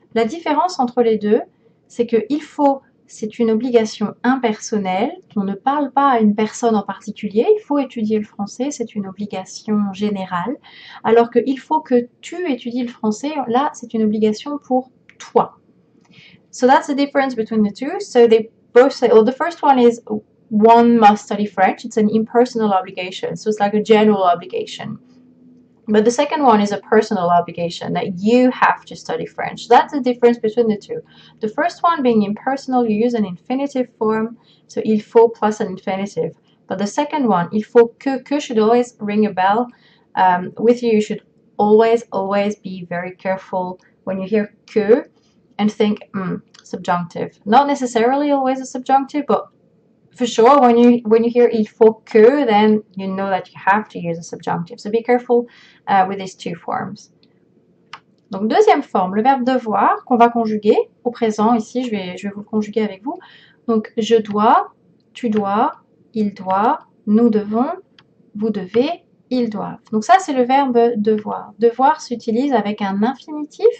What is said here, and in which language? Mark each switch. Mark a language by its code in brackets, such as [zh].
[fr] La différence entre les deux, c'est que il faut c'est une obligation impersonnelle. On ne parle pas à une personne en particulier. Il faut étudier le français. C'est une obligation générale. Alors que il faut que tu étudies le français. Là, c'est une obligation pour toi. [en] So that's the difference between the two. So they both say, well, the first one is one must study French. It's an impersonal obligation. So it's like a general obligation. But the second one is a personal obligation that you have to study French. That's the difference between the two. The first one being impersonal, you use an infinitive form, so il faut plus an infinitive. But the second one, il faut que should always ring a bell with you. You should always, always be very careful when you hear que and think subjunctive. Not necessarily always a subjunctive, but for sure, when you hear il faut que, then you know that you have to use a subjunctive. So be careful with these two forms. [fr] Donc deuxième forme, le verbe devoir qu'on va conjuguer au présent ici. Je vais vous conjuguer avec vous. Donc je dois, tu dois, il doit, nous devons, vous devez, ils doivent. Donc ça c'est le verbe devoir. Devoir s'utilise avec un infinitif.